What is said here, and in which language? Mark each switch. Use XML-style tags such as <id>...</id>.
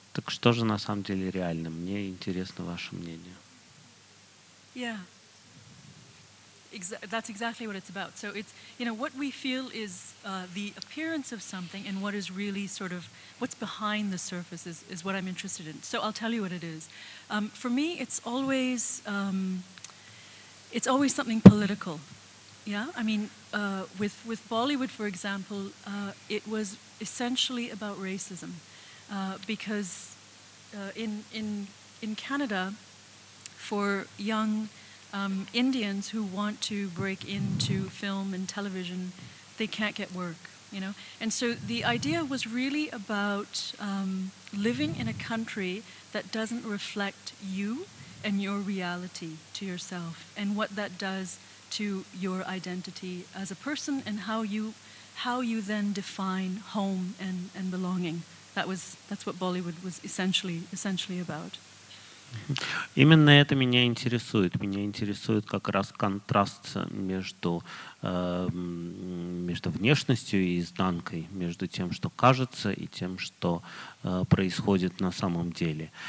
<ru>Так что же на самом деле реально? Мне интересно ваше мнение.</ru> <en>That's exactly what it's about. So it's, you know, what we feel is the appearance of something, and what is really sort of what's behind the surface is what I'm interested in. So I'll tell you what it is. For me, it's always something political. Yeah, I mean, with Bollywood, for example, it was essentially about racism, because in Canada, for young Indians who want to break into film and television, they can't get work, you know. And so the idea was really about living in a country that doesn't reflect you and your reality to yourself, and what that does to your identity as a person, and how you then define home and belonging. That's what Bollywood was essentially about.</en> <ru>Именно это меня интересует. Меня интересует как раз контраст между внешностью и изнанкой, между тем, что кажется, и тем, что происходит на самом деле.</ru>